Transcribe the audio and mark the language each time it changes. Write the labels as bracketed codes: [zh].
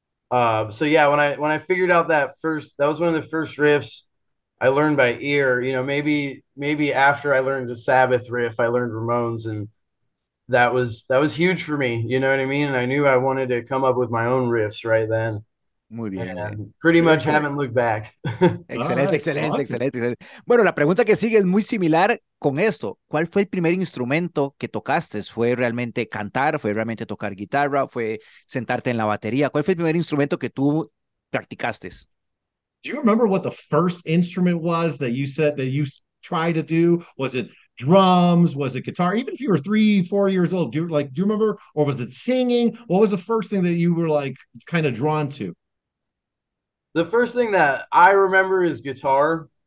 [en] So yeah, when I figured out that first, that was one of the first riffs I learned by ear, you know, maybe after I learned the Sabbath riff, I learned Ramones, and that was huge for me. You know what I mean? And I knew I wanted to come up with my own riffs right then. [es] Muy bien, muy bien. [en] And pretty much haven't looked back. [es] Excelente, [en] All right, [es] excelente, [en] awesome. [es] excelente, excelente. Bueno, la pregunta que sigue es muy similar con esto. ¿Cuál fue el primer instrumento que tocaste? ¿Fue realmente cantar? ¿Fue realmente tocar guitarra? ¿Fue sentarte en la batería? ¿Cuál fue el primer instrumento que tú practicaste? [en] Do you remember what the first instrument was that you said that you tried to do? Was it drums? Was it guitar? Even if you were 3, 4 years old, do you remember? Or was it singing? What was the first thing that you were like kind of drawn to? The first thing that I remember is guitar.